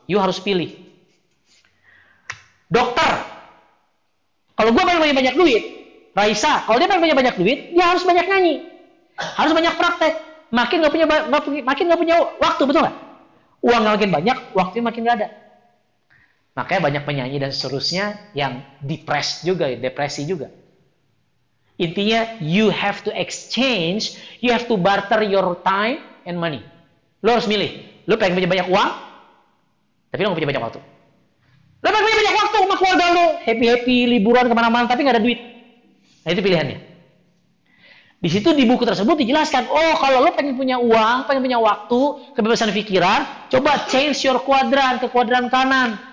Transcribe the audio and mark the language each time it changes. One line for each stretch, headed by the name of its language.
Indonesian: You harus pilih. Dokter, kalau gue pengen banyak duit, Raisa, kalau dia pengen banyak duit, dia harus banyak nyanyi, harus banyak praktek. Makin nggak punya waktu, betul nggak? Uang makin banyak, waktunya makin gak ada. Makanya banyak penyanyi dan seterusnya yang depresi juga.
English: Intinya, you have to exchange, you have to barter your time and money.
Indonesian: Lo harus milih. Lo pengen punya banyak uang, tapi lo gak punya banyak waktu. Lo pengen punya banyak waktu sama keluarga lo. Happy-happy, liburan kemana-mana, tapi gak ada duit. Nah, itu pilihannya. Di situ di buku tersebut dijelaskan, oh kalau lo pengen punya uang, pengen punya waktu, kebebasan pikiran, coba
English: change your
Indonesian: kuadran ke kuadran kanan.